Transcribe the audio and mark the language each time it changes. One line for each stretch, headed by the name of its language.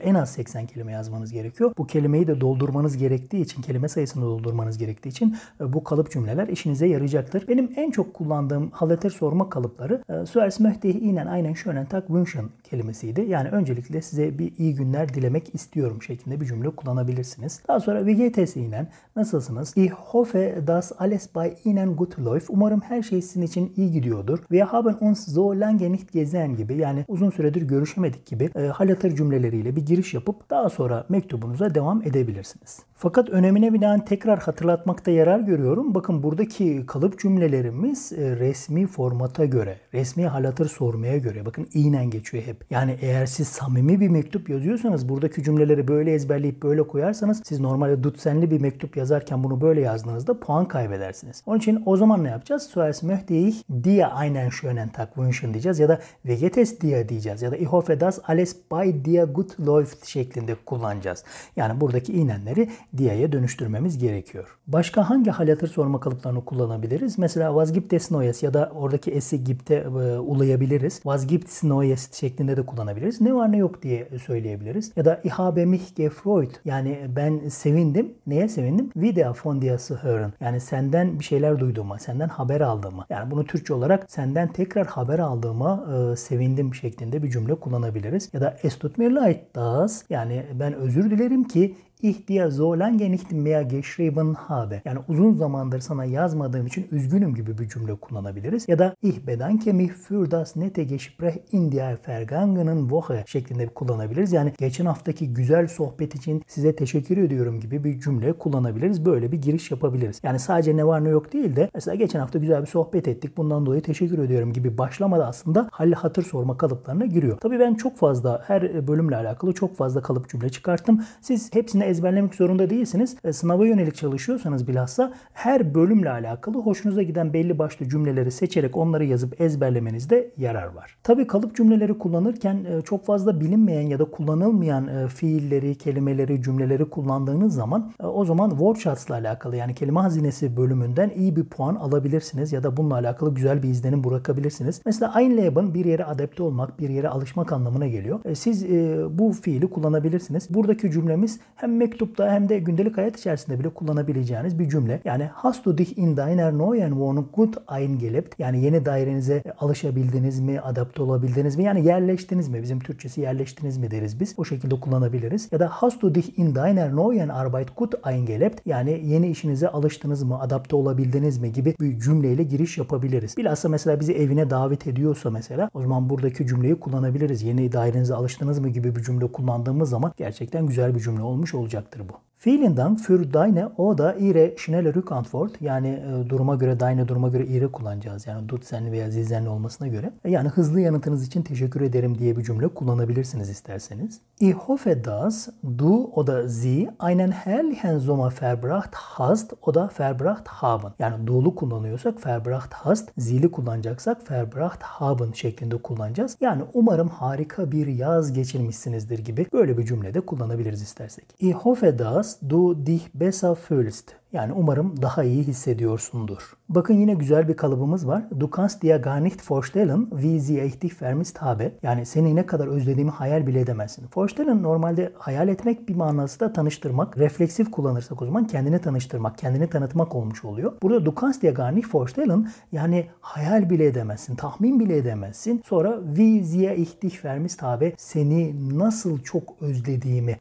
Turkish: En az 80 kelime yazmanız gerekiyor. Bu kelimeyi de doldurmanız gerektiği için, kelime sayısını doldurmanız gerektiği için bu kalıp cümleler işinize yarayacaktır. Benim en çok kullandığım haleter sorma kalıpları
German: Suels möchte Ihnen einen schönen Tag wünschen
Turkish: kelimesiydi. Yani öncelikle size bir iyi günler dilemek istiyorum şeklinde bir cümle kullanabilirsiniz. Daha sonra
German: Wie geht es Ihnen?
Turkish: Nasılsınız?
German: Ich hoffe, dass alles bei Ihnen gut läuft.
Turkish: Umarım her şey sizin için iyi gidiyordur.
German: Wir haben uns so lange nicht gesehen
Turkish: gibi, yani uzun süredir görüşemedik gibi haleter cümleleriyle bir giriş yapıp daha sonra mektubunuza devam edebilirsiniz. Fakat önemine binaen tekrar hatırlatmakta yarar görüyorum. Bakın buradaki kalıp cümlelerimiz resmi formata göre, resmi hal hatır sormaya göre, bakın iğnen geçiyor hep. Yani eğer siz samimi bir mektup yazıyorsanız, buradaki cümleleri böyle ezberleyip böyle koyarsanız, siz normalde dutsenli bir mektup yazarken bunu böyle yazdığınızda puan kaybedersiniz. Onun için o zaman ne yapacağız?
German: Suas möchte ich dir einen schönen Tag wünschen
Turkish: diyeceğiz ya da
German: wie geht es dir diyeceğiz ya da ich hoffe, dass alles bei dir gut läuft
Turkish: şeklinde kullanacağız. Yani buradaki iğnenleri dir'ye dönüştürmemiz gerekiyor. Başka hangi hal hatır sorma kalıplarını kullanabiliriz? Mesela
German: was gibt es Neues
Turkish: ya da oradaki es'i gibt'e ulayabiliriz.
German: Was gibt's Neues
Turkish: şeklinde de kullanabiliriz. Ne var ne yok diye söyleyebiliriz. Ya da
German: ich habe mich gefreut.
Turkish: Yani ben sevindim. Neye sevindim?
German: Wieder von dir zu hören.
Turkish: Yani senden bir şeyler duyduğuma, senden haber aldığıma. Yani bunu Türkçe olarak senden tekrar haber aldığıma sevindim şeklinde bir cümle kullanabiliriz. Ya da
German: es tut mir leid, das.
Turkish: Yani ben özür dilerim ki
German: ich dir so lange nicht mehr geschrieben habe.
Turkish: Yani uzun zamandır sana yazmadığım için üzgünüm gibi bir cümle kullanabiliriz. Ja da
German: ich bedanke mich für das nette Gespräch in der vergangenen Woche
Turkish: şeklinde kullanabiliriz. Yani geçen haftaki güzel sohbet için size teşekkür ediyorum gibi bir cümle kullanabiliriz. Böyle bir giriş yapabiliriz. Yani sadece ne var ne yok değil de mesela geçen hafta güzel bir sohbet ettik. Bundan dolayı teşekkür ediyorum gibi başlamada aslında hal hatır sorma kalıplarına giriyor. Tabii ben çok fazla her bölümle alakalı çok fazla kalıp cümle çıkarttım. Siz hepsini ezberlemek zorunda değilsiniz. Sınava yönelik çalışıyorsanız bilhassa her bölümle alakalı hoşunuza giden belli başlı cümleleri seçerek onları yazıp ezberlemenizde yarar var. Tabii kalıp cümleleri kullanırken çok fazla bilinmeyen ya da kullanılmayan fiilleri, kelimeleri, cümleleri kullandığınız zaman o zaman word charts'la alakalı yani kelime hazinesi bölümünden iyi bir puan alabilirsiniz ya da bununla alakalı güzel bir izlenim bırakabilirsiniz. Mesela einleben bir yere adapte olmak, bir yere alışmak anlamına geliyor. Siz bu fiili kullanabilirsiniz. Buradaki cümlemiz hem mektupta hem de gündelik hayat içerisinde bile kullanabileceğiniz bir cümle.
German: Yani hast du dich in deiner neuen Wohnung gut eingelebt?
Turkish: Yani yeni dairenize alışabildiniz mi, adapte olabildiniz mi? Yani yerleştiniz mi? Bizim Türkçesi yerleştiniz mi deriz biz. O şekilde kullanabiliriz. Ya da
German: hast du dich in deiner neuen Arbeit gut eingelebt?
Turkish: Yani yeni işinize alıştınız mı, adapte olabildiniz mi gibi bir cümleyle giriş yapabiliriz. Bilhassa mesela bizi evine davet ediyorsa mesela o zaman buradaki cümleyi kullanabiliriz. Yeni dairenize alıştınız mı gibi bir cümle kullandığımız zaman gerçekten güzel bir cümle olmuş olacaktır bu.
German: Vielen Dank für deine oder ihre schnelle Rückantwort.
Turkish: Yani duruma göre deine, duruma göre ihre kullanacağız. Yani dutsen veya zizenli olmasına göre. Yani hızlı yanıtınız için teşekkür ederim diye bir cümle kullanabilirsiniz isterseniz.
German: Ich hoffe, dass du oder sie einen herrlichen Sommer verbracht hast oder verbracht haben.
Turkish: Yani du'lu kullanıyorsak
German: verbracht hast,
Turkish: sie'li kullanacaksak
German: verbracht haben
Turkish: şeklinde kullanacağız. Yani umarım harika bir yaz geçirmişsinizdir gibi böyle bir cümle de kullanabiliriz istersek.
German: Ich hoffe, dass du dich besser fühlst.
Turkish: Yani umarım daha iyi hissediyorsundur. Bakın yine güzel bir kalıbımız var.
German: Du kannst dir gar nicht vorstellen, wie sie dich vermisst habe.
Turkish: Yani seni ne kadar özlediğimi hayal bile edemezsin. Vorstellen normalde hayal etmek bir manası da tanıştırmak. Refleksif kullanırsak o zaman kendini tanıştırmak, kendini tanıtmak olmuş oluyor. Burada
German: du kannst dir gar nicht vorstellen,
Turkish: yani hayal bile edemezsin, tahmin bile edemezsin. Sonra
German: wie sie dich vermisst habe,
Turkish: seni nasıl çok özlediğimi.